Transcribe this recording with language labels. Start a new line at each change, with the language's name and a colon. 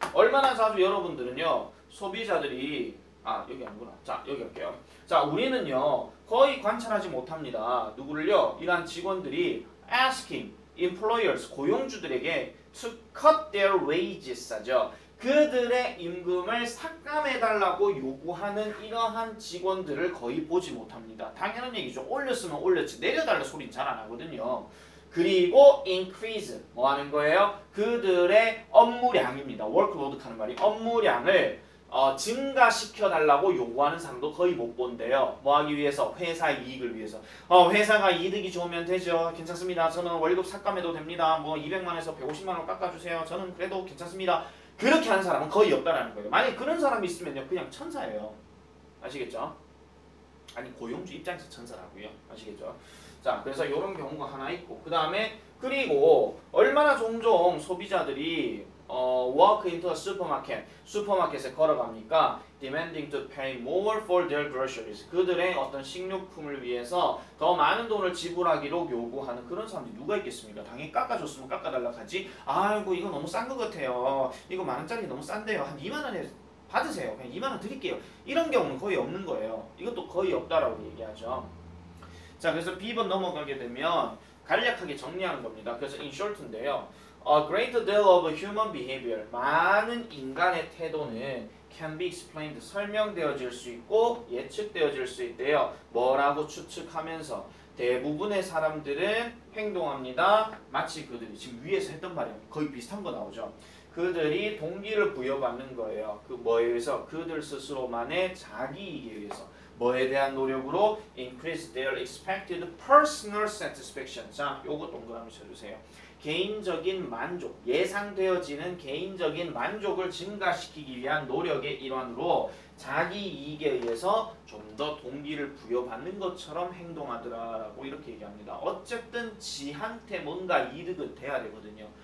Korean: 얼마나 자주 여러분들은요, 소비자들이, 여기 아니구나. 자, 여기 할게요. 자, 우리는요, 거의 관찰하지 못합니다. 누구를요? 이러한 직원들이
English: asking employers,
Korean: 고용주들에게
English: to cut their wages
Korean: 하죠. 그들의 임금을 삭감해달라고 요구하는 이러한 직원들을 거의 보지 못합니다. 당연한 얘기죠. 올렸으면 올렸지. 내려달라 소리는 잘 안 하거든요. 그리고 increase, 뭐 하는 거예요? 그들의 업무량입니다. workload 하는 말이 업무량을 증가시켜달라고 요구하는 사람도 거의 못 본대요. 뭐 하기 위해서? 회사 이익을 위해서. 회사가 이득이 좋으면 되죠. 괜찮습니다. 저는 월급 삭감해도 됩니다. 뭐 200만에서 150만원 깎아주세요. 저는 그래도 괜찮습니다. 그렇게 하는 사람은 거의 없다라는 거예요. 만약에 그런 사람이 있으면요, 그냥 천사예요. 아시겠죠? 아니, 고용주 입장에서 천사라고요. 아시겠죠? 자, 그래서 이런 경우가 하나 있고, 그 다음에, 그리고 얼마나 종종 소비자들이
English: walk into a supermarket,
Korean: 슈퍼마켓에 걸어갑니까?
English: demanding to pay more for their groceries.
Korean: 그들의 어떤 식료품을 위해서 더 많은 돈을 지불하기로 요구하는 그런 사람들이 누가 있겠습니까? 당연히 깎아줬으면 깎아달라고 하지. 아이고, 이거 너무 싼 것 같아요. 이거 만원짜리 너무 싼데요. 한 2만원에 받으세요. 그냥 2만원 드릴게요. 이런 경우는 거의 없는 거예요. 이것도 거의 없다라고 얘기하죠. 자, 그래서 B번 넘어가게 되면 간략하게 정리하는 겁니다. 그래서
English: in short
Korean: 인데요.
English: A great deal of human behavior,
Korean: 많은 인간의 태도는
English: can be explained,
Korean: 설명되어질 수 있고 예측되어질 수 있대요. 뭐라고 추측하면서 대부분의 사람들은 행동합니다. 마치 그들이 지금 위에서 했던 말이 거의 비슷한 거 나오죠. 그들이 동기를 부여받는 거예요. 그 뭐에 의해서? 그들 스스로만의 자기이기에 의해서. 뭐에 대한 노력으로?
English: Increase their expected personal satisfaction.
Korean: 자, 요거 동그라미 쳐주세요. 개인적인 만족, 예상되어지는 개인적인 만족을 증가시키기 위한 노력의 일환으로 자기 이익에 의해서 좀 더 동기를 부여받는 것처럼 행동하더라라고 이렇게 얘기합니다. 어쨌든 지한테 뭔가 이득은 돼야 되거든요.